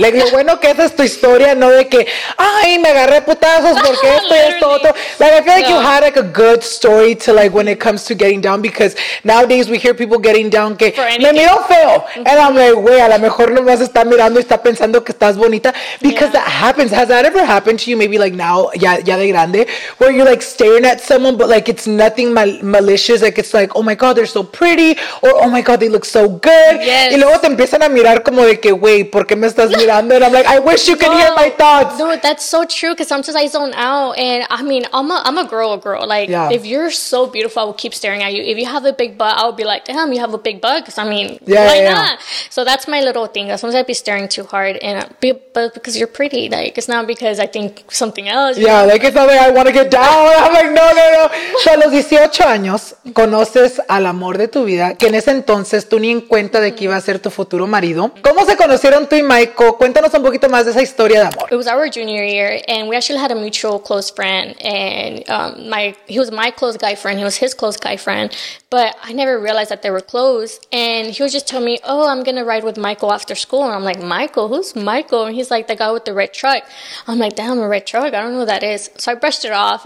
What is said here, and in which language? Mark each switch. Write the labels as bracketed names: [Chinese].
[Spanish] Like, lo bueno que esa es tu historia, no de que, ay, me agarré putazos porque esto y esto. [English] Like, I feel like you had like a good story to like when it comes to getting down, because nowadays we hear people getting down [Spanish] que me miro feo. [English] And I'm like, [Spanish] wey, a lo mejor no más está mirando y está pensando que estás bonita, [English] because that happens. Has that ever happened to you, maybe like now, [Spanish] ya de grande, [English] where you're like staring at someone, but like it's nothing malicious, like it's like, oh my god, they're so pretty, or oh my god, they look so good. Yes. [Spanish] Y luego te empiezan a mirar como de que, wey, ¿por qué me estás mirando? [English] And I'm like, I wish you could hear my thoughts. No, that's so true, because sometimes I zone out, and I mean, I'm a girl. Like, if you're so beautiful, I will keep staring at you. If you have a big butt, I would be like, damn, you have a big butt. Because, I mean, why not? So that's my little thing. Sometimes I'd be staring too hard. But because you're pretty. Like, it's not because I think something else. Yeah, know? Like, it's not like I want to get down. I'm like, no. [Spanish] So, a los 18 años, conoces al amor de tu vida, que en ese entonces tú ni en cuenta de que iba a ser tu futuro marido. ¿Cómo se conocieron tú y Michael? Cuéntanos un poquito más de esa historia de amor. [English] It was our junior year, and we actually had a mutual close friend. And he was my close guy friend. He was his close guy friend. But I never realized that they were close. And he was just telling me, oh, I'm going to ride with Michael after school. And I'm like, Michael? Who's Michael? And he's like, the guy with the red truck. I'm like, damn, a red truck? I don't know who that is. So I brushed it off.